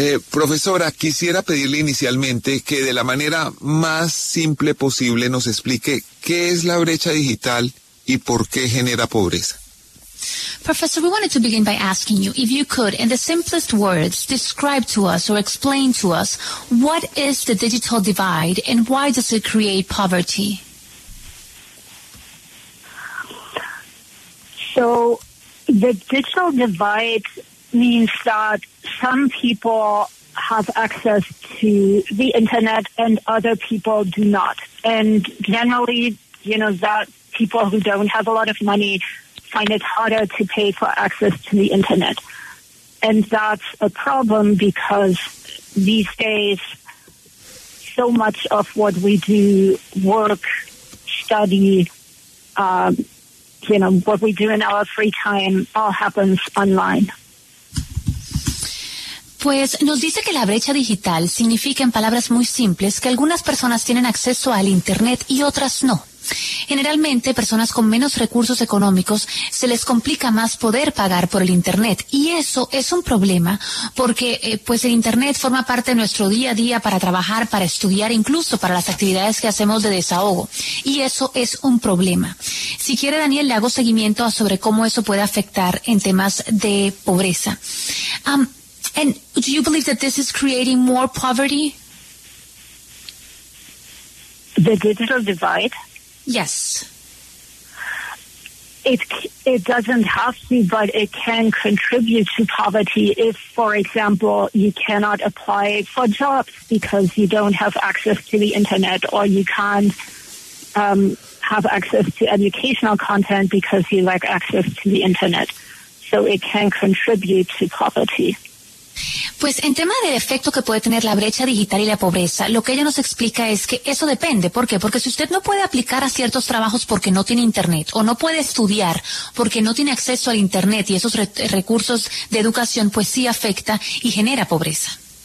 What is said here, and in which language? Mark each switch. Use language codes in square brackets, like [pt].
[es] Profesora, quisiera pedirle inicialmente que de la manera más simple posible nos explique qué es la brecha digital y por qué genera pobreza. [en] Professor, we wanted to begin by asking you if you could, in the simplest words, describe to us or explain to us what is the digital divide and why does it create poverty? So, the digital divide means that some people have access to the internet and other people do not. And generally, you know, that people who don't have a lot of money find it harder to pay for access to the internet. And that's a problem because these days, so much of what we do, work, study, you know, what we do in our free time all happens online. [es] Pues nos dice que la brecha digital significa, en palabras muy simples, que algunas personas tienen acceso al internet y otras no. Generalmente, personas con menos recursos económicos se les complica más poder pagar por el internet, y eso es un problema porque pues el internet forma parte de nuestro día a día para trabajar, para estudiar, incluso para las actividades que hacemos de desahogo, y eso es un problema. Si quiere, Daniel, le hago seguimiento sobre cómo eso puede afectar en temas de pobreza. [en] And do you believe that this is creating more poverty? The digital divide? Yes. It doesn't have to, but it can contribute to poverty if, for example, you cannot apply for jobs because you don't have access to the internet, or you can't have access to educational content because you lack access to the internet. So it can contribute to poverty. [es] Pues en tema del efecto que puede tener la brecha digital y la pobreza, lo que ella nos explica es que eso depende. ¿Por qué? Porque si usted no puede aplicar a ciertos trabajos porque no tiene internet, o no puede estudiar porque no tiene acceso al internet y esos recursos de educación, pues sí afecta y genera pobreza.